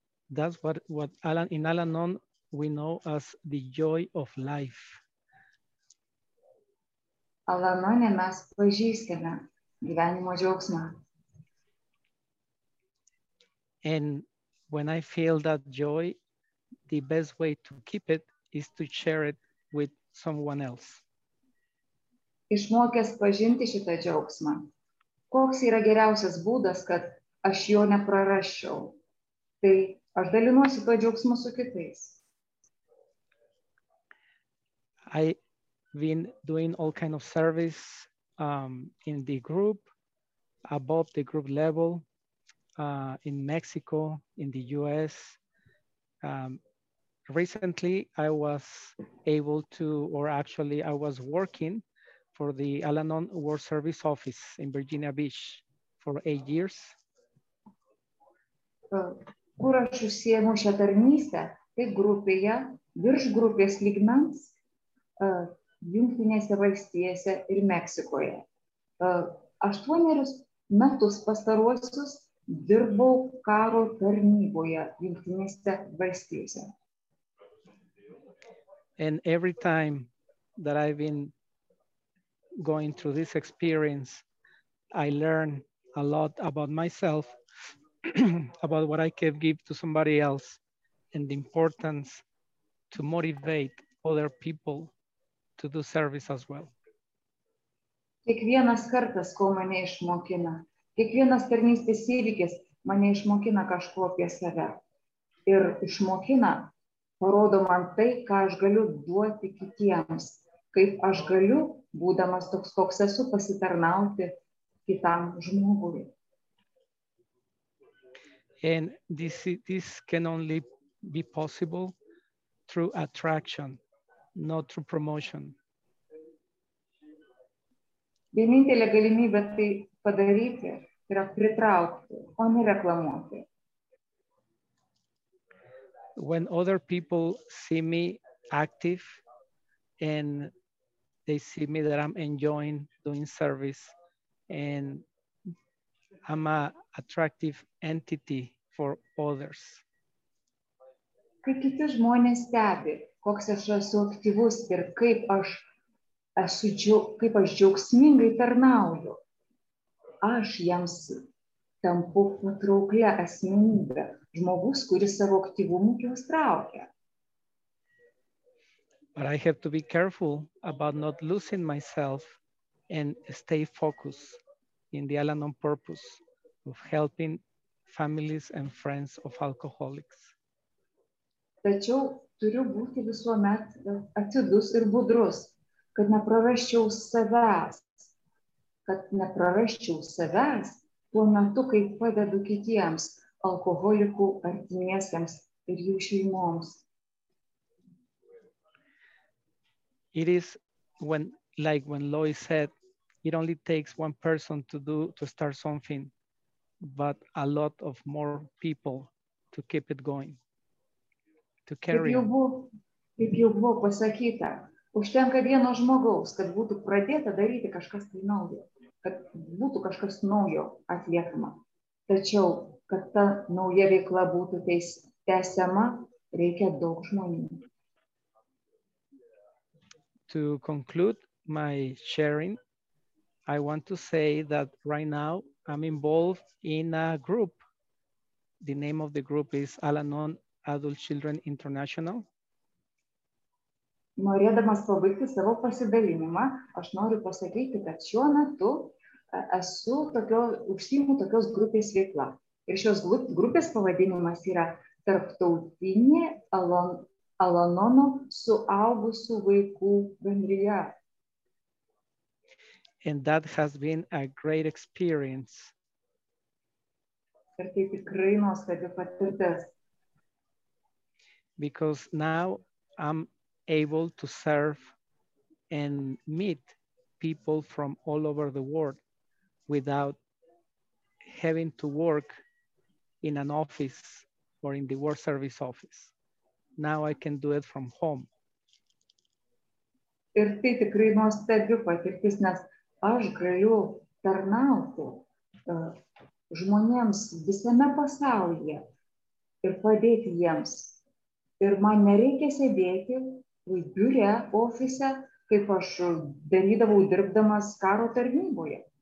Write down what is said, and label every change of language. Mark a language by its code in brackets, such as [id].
[en] That's what in Al-Anon we know as the joy of life. [lt] Al-Anone mes pažįstame gyvenimo džiaugsmą. [en] And when I feel that joy, the best way to keep it is to share it with someone else. [lt] Išmokęs pažinti šitą džiaugsmą. Koks yra geriausias būdas, kad aš jo neprarasčiau, tai Aš dalinuosi tuo džiaugsmu su kitais. [en] I've been doing all kind of service in the group, above the group level, in Mexico, in the US. Recently, I was able to, or actually I was working for the Al-Anon World Service Office in Virginia Beach for 8 years. [lt] Kur aš užsiemu šią tarnystę, tai grupėje, virš grupės lygmens, Jungtinėse valstijose ir Meksikoje. 8 metus pastaruosius dirbau karo tarnyboje Jungtinėse valstijose. [en] And every time that I've been going through this experience, I learn a lot about myself, about what I can give to somebody else, and the importance to motivate other people to do service as well. [lt] Kiekvienas kartas, ko mane išmokina, kiekvienas tarnystės įvykis mane išmokina kažko apie save. Ir išmokina, parodo man tai, ką aš galiu duoti kitiems, kaip aš galiu, būdamas toks, koks esu, pasitarnauti kitam žmogui. [en] And this can only be possible through attraction, not through promotion. [lt] Vienintelė galimybė tai padaryti yra pritraukti, o ne reklamuoti. [en] When other people see me active and they see me that I'm enjoying doing service and I'm an attractive entity for others. [lt] Kai kiti žmonės stebi, koks aš esu aktyvus ir kaip aš esu kaip aš džiaugsmingai tarnauju, aš jiems tampu patrauklia asmenybė, žmogus, kuris savo aktyvumu juos traukia. [en] But I have to be careful about not losing myself and stay focused in the Al-Anon purpose of helping families and friends of alcoholics. [lt] Tačiau turiu būti visuomet atidus ir budrus, kad neprarasčiau savęs. Kad neprarasčiau savęs tuo metu, kai padedu kitiems alkoholikų artimiesiems ir jų šeimoms. [en] It is when, like when Lois said, it only takes one person to start something, but a lot of more people to keep it going, to carry. [lt] Kaip jau buvo pasakyta, užtenka vieno žmogaus, kad būtų pradėta daryti kažkas tai naujo, kad būtų kažkas naujo atliekama. Tačiau, kad ta nauja veikla būtų tęsiama, reikia daug žmonių. [en] To conclude my sharing, I want to say that right now I'm involved in a group. The name of the group is Al-Anon Adult Children International. [lt] Norėdamas pabaigti savo pasidalinimą, aš noriu pasakyti, kad šiuo metu esu užsiimu tokios grupės veikla. Ir šios grupės pavadinimas yra tarptautinė Al-Anono suaugusių vaikų bendrija. [en] And that has been a great experience. [lt] Ir tai tikrai nuostabi patirtis. [en] Because now I'm able to serve and meet people from all over the world without having to work in an office or in the World Service Office. Now I can do it from home. [lt] Ir tai tikrai nuostabi patirtis, nes aš galiu tarnauti žmonėms visame pasaulyje ir padėti jiems. Ir man nereikia sėdėti biure, ofise, kaip aš darydavau dirbdamas karo tarnyboje.